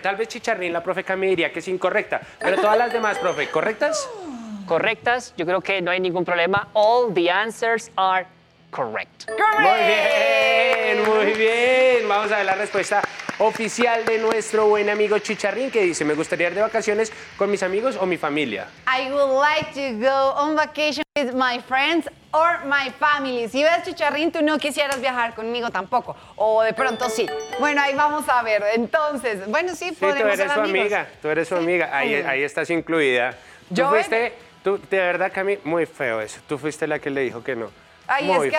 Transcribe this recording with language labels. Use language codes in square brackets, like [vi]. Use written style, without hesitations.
[es] Tal vez chicharrín, la profe Cami diría que es incorrecta, pero todas las demás, profe, ¿correctas? Correctas, yo creo que no hay ningún problema. [en] All the answers are correct. [es] Muy bien, muy bien. Vamos a ver la respuesta oficial de nuestro buen amigo Chicharrín, que dice: me gustaría ir de vacaciones con mis amigos o mi familia. [en] I would like to go on vacation with my friends or my family. [es] Si ves, Chicharrín, tú no quisieras viajar conmigo tampoco. O de pronto sí. Bueno, ahí vamos a ver. Entonces, bueno, sí, podemos ser amigos. Tú eres su amiga, tú eres su amiga. Ahí estás incluida. Tú, de verdad, Cami, muy feo eso. Tú fuiste la que le dijo que no. Ay, muy es que